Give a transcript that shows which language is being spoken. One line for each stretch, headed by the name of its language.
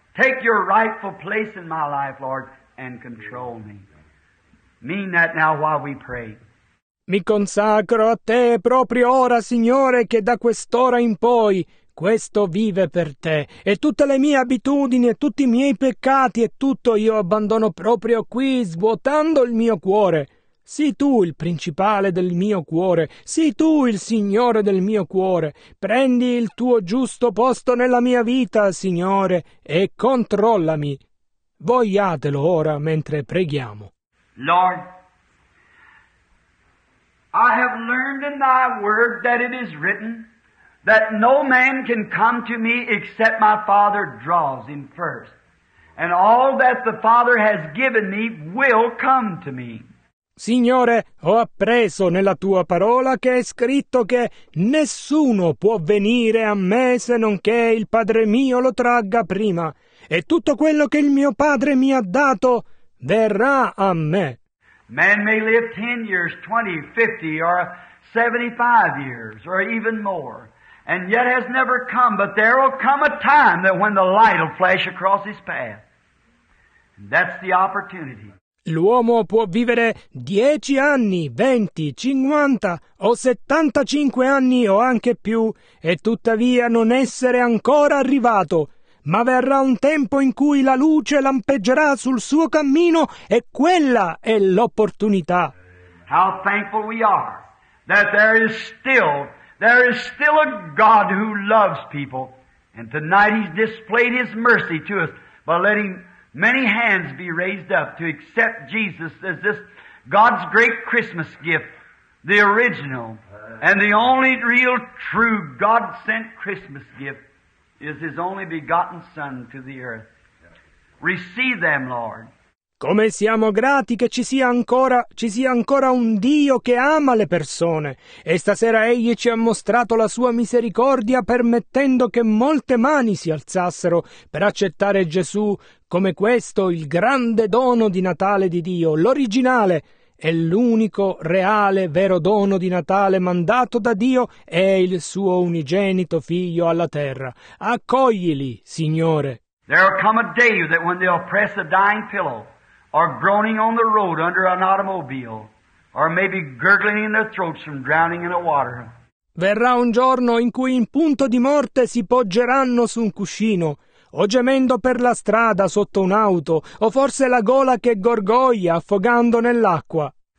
English: Take your rightful place in my life, Lord, and control me. Mean that now while we pray.
Italian: Mi consacro a te proprio ora, Signore, che da quest'ora in poi questo vive per te, e tutte le mie abitudini e tutti i miei peccati e tutto io abbandono proprio qui, svuotando il mio cuore. Sii tu il principale del mio cuore, sii tu il Signore del mio cuore. Prendi il tuo giusto posto nella mia vita, Signore, e controllami. Vogliatelo ora mentre preghiamo.
English: Lord, I have learned in thy word that it is written that no man can come to me except my Father draws him first. And all that the Father has given me will come to me.
Italian: Signore, ho appreso nella tua parola che è scritto che nessuno può venire a me se non che il Padre mio lo tragga prima. E tutto quello che il mio Padre mi ha dato verrà a me.
English: Man may live 10 years, 20, 50, or 75 years, or even more, and yet has never come, but there will come a time that when the light will flash across his path. And that's the opportunity.
Italian: L'uomo può vivere 10 anni, 20, 50, o 75 anni, o anche più, e tuttavia non essere ancora arrivato. Ma verrà un tempo in cui la luce lampeggerà sul suo cammino e quella è l'opportunità.
English: How thankful we are that there is still a God who loves people, and tonight he's displayed his mercy to us by letting many hands be raised up to accept Jesus as this God's great Christmas gift, the original and the only real true God-sent Christmas gift. Is his only begotten son to the earth. Receive them, Lord.
Italian: Come siamo grati che ci sia ancora un Dio che ama le persone. E stasera egli ci ha mostrato la sua misericordia permettendo che molte mani si alzassero per accettare Gesù come questo il grande dono di Natale di Dio, l'originale. E l'unico reale vero dono di Natale mandato da Dio è il suo unigenito figlio alla terra. Accoglili, Signore.
English: There will come a day that when they'll press a dying pillow, or groaning on the road under an automobile, or maybe gurgling in their throats from drowning in a water.
Italian: Verrà un giorno in cui in punto di morte si poggeranno su un cuscino, o gemendo per la strada sotto un'auto, o forse la gola che gorgoglia affogando nell'acqua.